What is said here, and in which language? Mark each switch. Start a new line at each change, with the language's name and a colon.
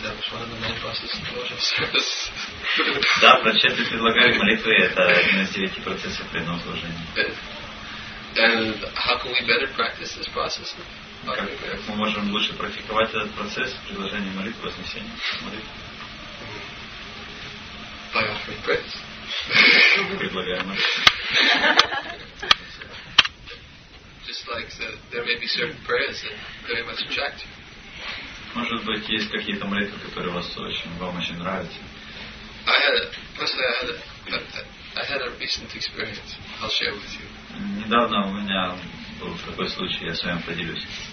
English: That was one of the main processes of devotional service.
Russian: Да, прочеты предлагают молитвы. Это один из девяти процессов преданного служения.
English: And how can we better practice this process?
Russian: Как мы можем лучше практиковать этот процесс предложения молитвы, вознесения молитвы?
English: By offering prayers.
Russian: Предлагаем молитвы.
English: Just like that, there may be certain prayers that very much attract you.
Russian: Может быть, есть какие-то молитвы, которые вам очень нравятся?
English: I had a recent experience. I'll share with you.
Russian: Недавно у меня был такой случай, я с вами поделюсь.